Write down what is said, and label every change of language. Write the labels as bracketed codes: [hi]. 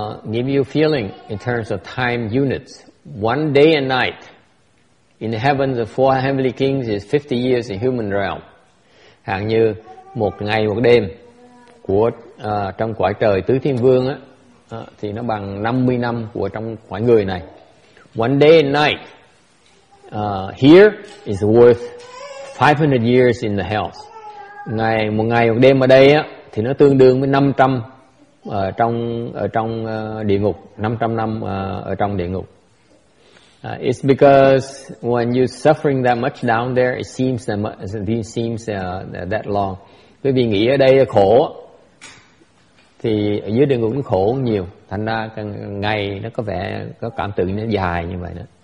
[en] Give you feeling in terms of time units. One day and night in the heavens of four heavenly kings is 50 years in human realm. [vi] Hạn như một ngày một đêm của trong cõi trời tứ thiên vương á, thì nó bằng 50 năm của trong cõi người này. [en] One day and night here is worth 500 years in the hells. [vi] Ngày một ngày một đêm ở đây á, thì nó tương đương với 500 trong địa ngục, 500 năm ở trong địa ngục. [en] It's because when you're suffering that much down there, it seems that long. [vi] Quý vị nghĩ ở đây khổ, thì ở dưới địa ngục nó khổ nhiều. Thành ra ngày nó có vẻ có cảm tưởng nó dài như vậy đó.